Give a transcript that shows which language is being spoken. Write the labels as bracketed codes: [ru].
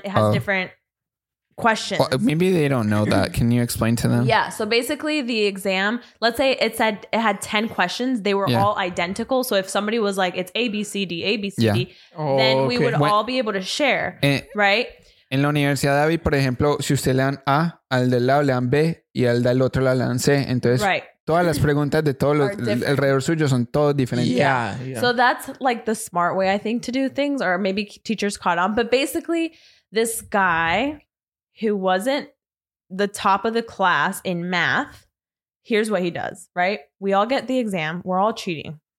[en] It has different questions. Well, maybe they don't know that. Can you explain to them? Yeah. So basically the exam, let's say it said it had 10 questions. They were all identical. So if somebody was like, it's A, B, C, D, A, B, C, D, then we would all be able to share, right? [es] En la Universidad de Abby, por ejemplo, si usted le dan A, al del lado le dan B y al del otro lado le dan C. Entonces, todas las preguntas de todos los alrededor suyo son todos diferentes. [en] Yeah. So that's like the smart way, I think, to do things, or maybe teachers caught on. But basically, this guy who wasn't the top of the class in math, here's what he does, right? We all get the exam. We're all cheating.